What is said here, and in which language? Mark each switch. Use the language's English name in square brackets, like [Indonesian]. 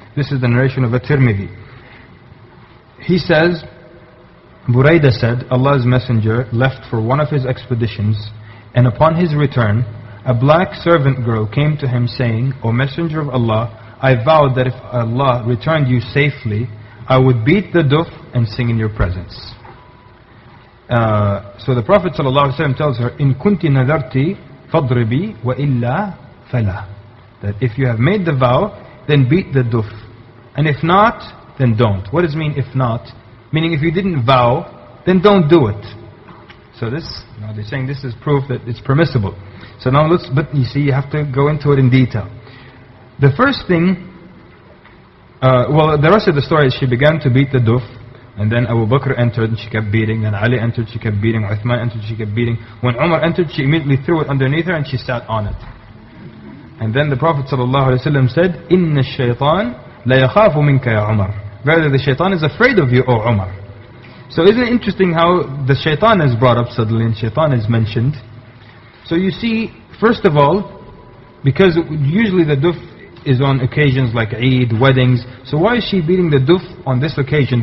[English] This is the narration of a Tirmidhi. He says, Burayda said, Allah's Messenger left for one of his expeditions, and upon his return, a black servant girl came to him saying, O Messenger of Allah, I vowed that if Allah returned you safely, I would beat the duf and sing in your presence. So the Prophet ﷺ tells her, [Arabic] إِن كُنْتِ نَذَرْتِ فَضْرِبِي وَإِلَّا فَلَا. [English] That if you have made the vow, then beat the duf. And if not, then don't. What does it mean, if not? Meaning if you didn't vow, then don't do it. So this, you know, they're saying this is proof that it's permissible. So now let's, but you see, you have to go into it in detail. The first thing, well, the rest of the story is she began to beat the duf, and then Abu Bakr entered and she kept beating, then Ali entered, she kept beating, Uthman entered, she kept beating. When Umar entered, she immediately threw it underneath her and she sat on it. And then the Prophet ﷺ said, [Arabic] إِنَّ الشَّيْطَانَ لَيَخَافُ مِنْكَ يَا عُمَرُ. [English] Verily the shaitan is afraid of you, O Umar. So isn't it interesting how the shaitan is brought up suddenly and shaitan is mentioned? So you see, first of all, because usually the duf is on occasions like Eid, weddings, so why is she beating the duf on this occasion?